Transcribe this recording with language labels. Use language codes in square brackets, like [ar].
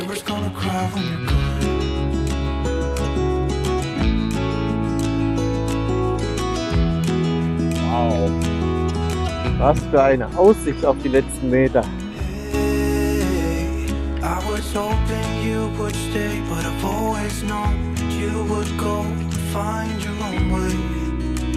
[en] River's gonna cry when you're gone. [de] Was für eine Aussicht auf die letzten Meter. [en] Hey, I was hoping you would stay, but I've always known you would go find your own way.